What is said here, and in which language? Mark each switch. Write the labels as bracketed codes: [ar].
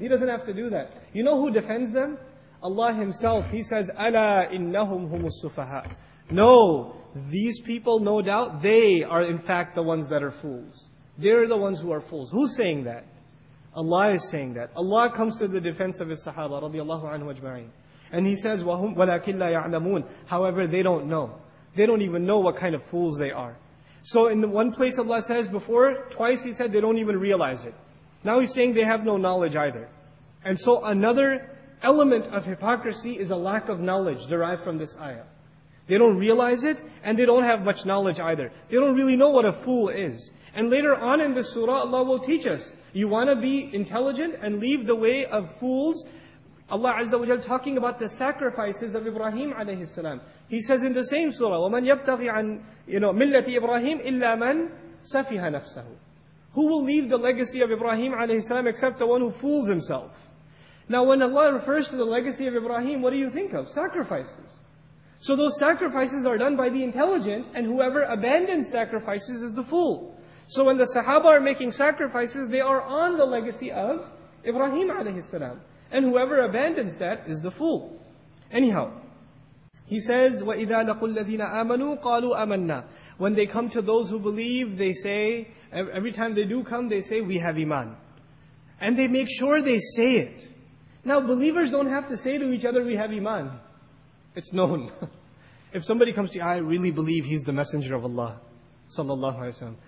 [en] He doesn't have to do that. You know who defends them? Allah Himself. He says, [ar] أَلَا إِنَّهُمْ هُمُ السُّفَهَا [en] No, these people, no doubt, they are in fact the ones that are fools. They're the ones who are fools. Who's saying that? Allah is saying that. Allah comes to the defense of His Sahaba, radiallahu anhu ajma'in. And He says, [ar] وَهُمْ وَلَكِنْ لَا يَعْلَمُونَ. [en] However, they don't know. They don't even know what kind of fools they are. So in the one place Allah says before, twice He said they don't even realize it. Now He's saying they have no knowledge either. And so another element of hypocrisy is a lack of knowledge derived from this ayah. They don't realize it, and they don't have much knowledge either. They don't really know what a fool is. And later on in the surah, Allah will teach us, you want to be intelligent and leave the way of fools. Allah Azza wa Jalla talking about the sacrifices of Ibrahim alayhi salam. He says in the same surah, [ar] وَمَنْ يَبْتَغِ عَنْ مِلَّةِ إِبْرَاهِيمِ إِلَّا مَنْ سَفِهَ نَفْسَهُ. [en] Who will leave the legacy of Ibrahim alayhi salam except the one who fools himself? Now when Allah refers to the legacy of Ibrahim, what do you think of? Sacrifices. So those sacrifices are done by the intelligent, and whoever abandons sacrifices is the fool. So when the Sahaba are making sacrifices, they are on the legacy of Ibrahim alayhi salam. And whoever abandons that is the fool. Anyhow, he says, [ar] وَإِذَا لَقُوا الَّذِينَ آمَنُوا قَالُوا أَمَنَّا. [en] When they come to those who believe, they say, every time they do come, they say, we have iman. And they make sure they say it. Now believers don't have to say to each other, we have iman. It's known. If somebody comes to you, I really believe he's the messenger of Allah, sallallahu alayhi wa sallam.